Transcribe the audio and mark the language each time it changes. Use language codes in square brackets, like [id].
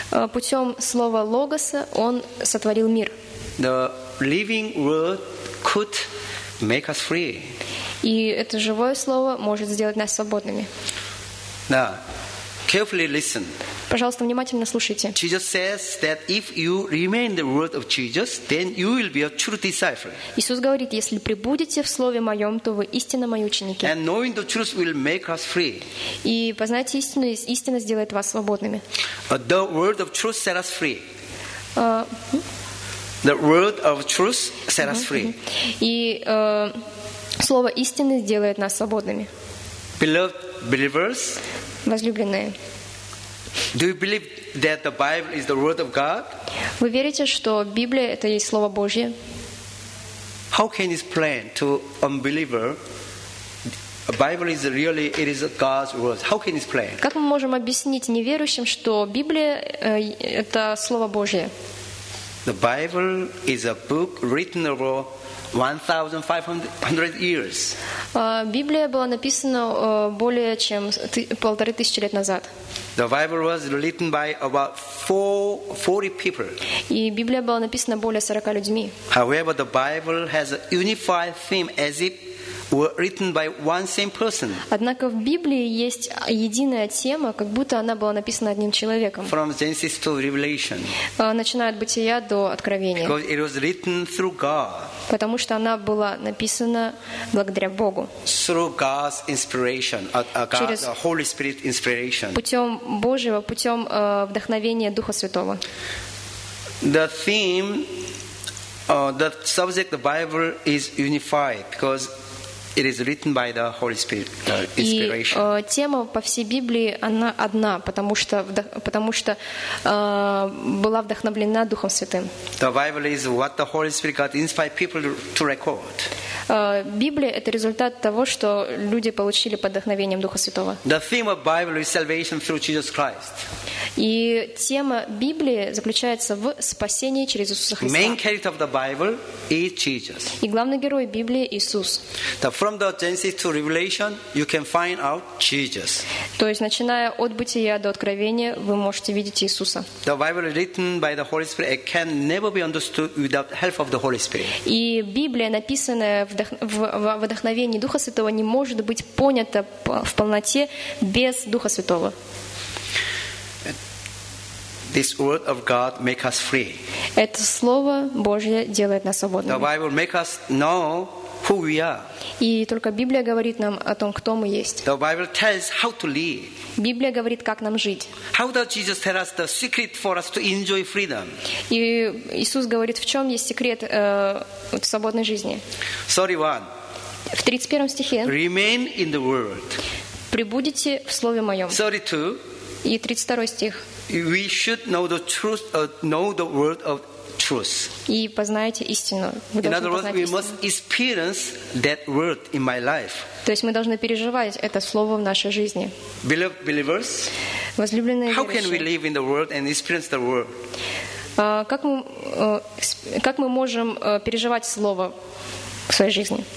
[ru] Путем слова Логоса Он сотворил мир. [en] The living word could make us free. [ru] И это живое слово может сделать нас свободными. [en] Now, carefully listen. [ru] Пожалуйста, внимательно слушайте. [en] Jesus says that if you remain in the word of Jesus, then you will be a true disciple. [ru] Иисус говорит, если пребудете в слове моем, то вы истинно мои ученики. [en] And knowing the truth will make us free. [ru] И познать истину, истина сделает вас свободными. [en] The word of truth set us free. The word of truth set us free. [ru] И слово истины сделает нас свободными. [en] Beloved believers, [ru] возлюбленные, [en] do you believe that the Bible is the word of God? [ru] Вы верите, что Библия это есть слово Божье? [en] How can you explain to unbeliever the Bible is really it is God's word? How can you explain? [ru] Как мы можем объяснить неверующим, что Библия это слово Божье? [en] The Bible is a book written over 1,500 years. [ru] Библия была написана более чем 1500 лет назад. [en] The Bible was written by about 40 people. [ru] И Библия была написана более 40 людьми. [en] However, the Bible has a unified theme as if were written by one same person. [ru] Однако в Библии есть единая тема, как будто она была написана одним человеком. [en] From Genesis to Revelation. [ru] Начиная от Бытия до Откровения. [en] Because it was written through God. [ru] Потому что она была написана благодаря Богу. [en] Through God's inspiration, God's Holy Spirit inspiration. [ru] Путем Божьего, путем вдохновения Духа Святого. [en] The theme, the subject, the Bible is unified because it is written by the Holy Spirit, the inspiration. [ru] И тема по всей Библии она одна, потому что была вдохновлена Духом Святым. [en] The Bible is what the Holy Spirit God inspired people to record. [ru] Библия это результат того, что люди получили под вдохновением Духа Святого. [en] The theme of Bible is salvation through Jesus Christ. [ru] И тема Библии заключается в спасении через Иисуса Христа. [en] Main character of the Bible is Jesus. [ru] И главный герой Библии Иисус. [en] From the Genesis to Revelation, you can find out Jesus. [ru] То есть начиная от Бытия до Откровения, вы можете видеть Иисуса. [en] The Bible written by the Holy Spirit can never be understood without help of the Holy Spirit. [ru] И Библия, написанная в вдохновении Духа Святого, не может быть понята в полноте без Духа Святого. [en] This word of God make us free. [ru] Это слово Божье делает нас свободными. [en] The Bible make us know who we are. [ru] И только Библия говорит нам о том, кто мы есть. [en] The Bible tells how to live. [ru] Библия говорит, как нам жить. [en] How does Jesus tell us the secret for us to enjoy freedom? [ru] И Иисус говорит, в чем есть секрет свободной жизни. [en] 31. [ru] В 31 стихе. [en] Remain in the word. [ru] Пребудете в слове моем. [en] 32. [ru] И 32 стих. [en] We should know the truth, know the word of truth. [ru] И познаете истину. [en] In other words, we must experience that word in my life. [ru] То есть мы должны переживать это слово в нашей жизни. [en] Beloved believers, [ru] возлюбленные верующие, [en] how can we live in the world and experience the word? [ru] Как мы можем переживать слово в своей жизни?